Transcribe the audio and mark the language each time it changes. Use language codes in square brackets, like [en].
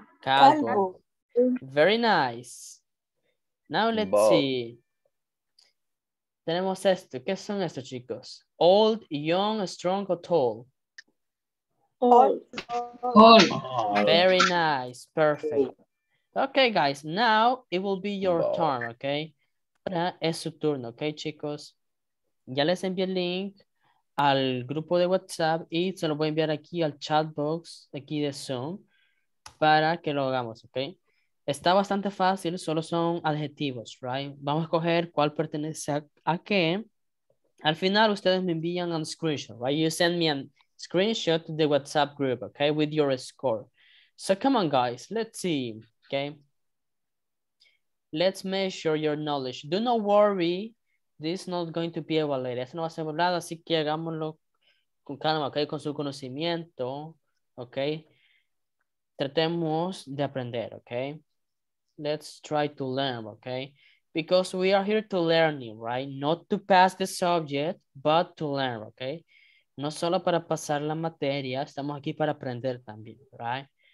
[en] Calvo. Very nice. Now let's see. [es] Tenemos esto. ¿Qué son estos, chicos? [en] Old, young, strong, or tall? Old. Old. Very nice. Perfect. Okay, guys, now it will be your turn, okay? [es] Ahora es su turno, okay, chicos? Ya les envié el link al grupo de WhatsApp y se lo voy a enviar aquí al chat box aquí de Zoom para que lo hagamos, okay? Está bastante fácil, solo son adjetivos, right? Vamos a escoger cuál pertenece a qué. Al final, ustedes me envían un screenshot, right? [en] You send me a screenshot to the WhatsApp group, okay, with your score. So come on, guys, let's see. Okay, let's measure your knowledge. Do not worry, this is not going to be evaluated. [es] Esto no va a ser evaluado, así que hagámoslo con calma, okay, con su conocimiento, okay. Tratemos de aprender, okay. [en] Let's try to learn, okay. Because we are here to learn, right? Not to pass the subject, but to learn, okay. [es] No solo para pasar la materia, estamos aquí para aprender también, right?